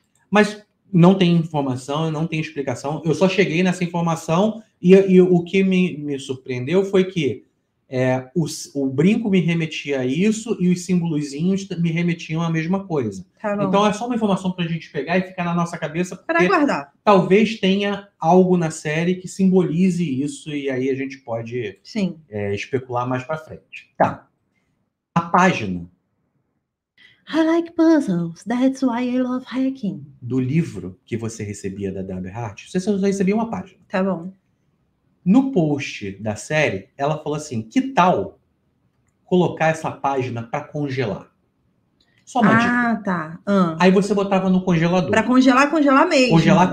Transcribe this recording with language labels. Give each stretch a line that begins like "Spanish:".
Portuguese: Mas não tem informação, não tem explicação. Eu só cheguei nessa informação e o que me surpreendeu foi que o brinco me remetia a isso e os símbolozinhos me remetiam à mesma coisa. Tá, então é só uma informação pra gente pegar e ficar na nossa cabeça. Pra guardar. Talvez tenha algo na série que simbolize isso e aí a gente pode especular mais pra frente. Tá. A página.
English: I like puzzles, that's why I love hacking.
Portuguese: Do livro que você recebia da W. Hart, você só recebia uma página. Tá bom. No post da série, ela falou assim, que tal colocar essa página para congelar? Só uma dica. Ah, tá. Aí você botava no congelador. Para congelar, congelar mesmo.